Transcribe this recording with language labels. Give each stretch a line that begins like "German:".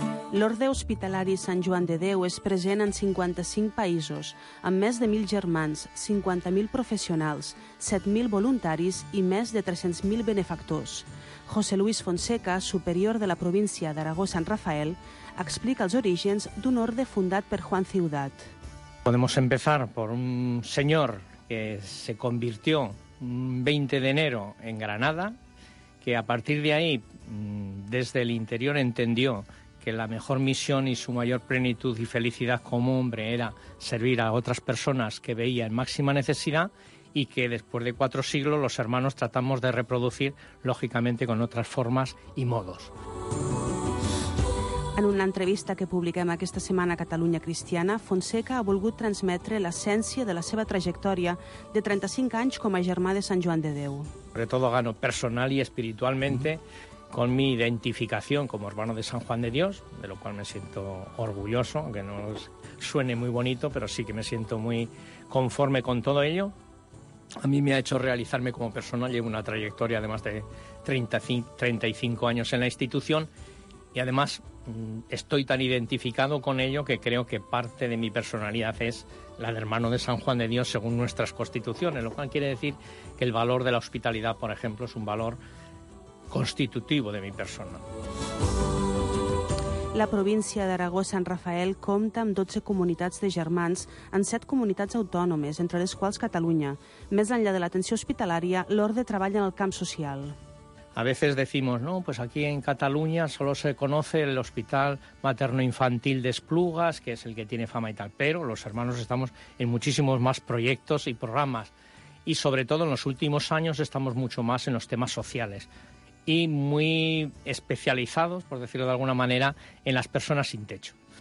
Catalan: L'Orde Hospitalari Sant Joan de Déu és present en 55 països, amb més de 1.000 germans, 50.000 professionals, 7.000 voluntaris i més de 300.000 benefactors. José Luis Fonseca, superior de la província d'Aragó Sant Rafael, explica els orígens d'un orde fundat per Juan Ciudad.
Spanish: Podemos empezar por un señor que se convirtió un 20 de enero en Granada, que a partir de ahí, desde el interior, entendió que la mejor misión y su mayor plenitud y felicidad como hombre era servir a otras personas que veía en máxima necesidad y que después de 4 siglos los hermanos tratamos de reproducir, lógicamente, con otras formas y modos.
Catalan: En una entrevista que publiquem aquesta setmana a Catalunya Cristiana, Fonseca ha volgut transmetre l'essència de la seva trajectòria de 35 anys com a germà de Sant Joan de Déu.
Spanish: Sobre todo gano personal y espiritualmente con mi identificación como hermano de San Juan de Dios, de lo cual me siento orgulloso, aunque no suene muy bonito, pero sí que me siento muy conforme con todo ello. A mí me ha hecho realizarme como persona, llevo una trayectoria de más de 35 años en la institución y además estoy tan identificado con ello que creo que parte de mi personalidad es la de hermano de San Juan de Dios según nuestras constituciones, lo cual quiere decir que el valor de la hospitalidad, por ejemplo, es un valor constitutivo de mi persona.
Catalan: La província d'Aragó Sant Rafael compta amb 12 comunitats de germans en 7 comunitats autònomes, entre les quals Catalunya. Més enllà de l'atenció hospitalària, l'Orde treballa en el camp social.
Spanish: A veces decimos, no, pues aquí en Cataluña solo se conoce el Hospital Materno-Infantil de Esplugas, que es el que tiene fama y tal, pero los hermanos estamos en muchísimos más proyectos y programas. Y sobre todo en los últimos años estamos mucho más en los temas sociales y muy especializados, por decirlo de alguna manera, en las personas sin techo.